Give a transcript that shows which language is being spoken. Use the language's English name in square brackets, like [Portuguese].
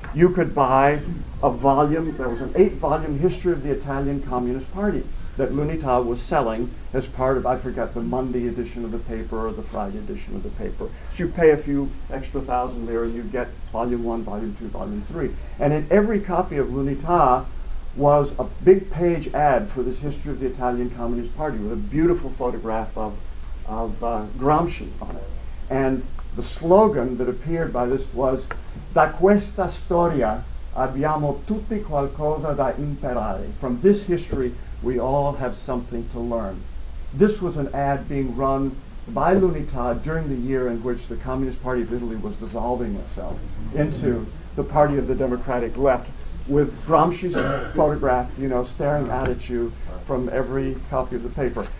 [English] You could buy a volume, there was an 8-volume history of the Italian Communist Party that L'Unità was selling as part of, I forget, the Monday edition of the paper or the Friday edition of the paper. So you pay a few extra 1,000 lira and you get volume 1, volume 2, volume 3. And in every copy of L'Unità was a big page ad for this history of the Italian Communist Party with a beautiful photograph of Gramsci on it. And the slogan that appeared by this was, [Italian] "Da questa storia abbiamo tutti qualcosa da imparare." [English] From this history, we all have something to learn. This was an ad being run by L'Unità during the year in which the Communist Party of Italy was dissolving itself into the Party of the Democratic Left, with Gramsci's photograph, you know, staring at you from every copy of the paper.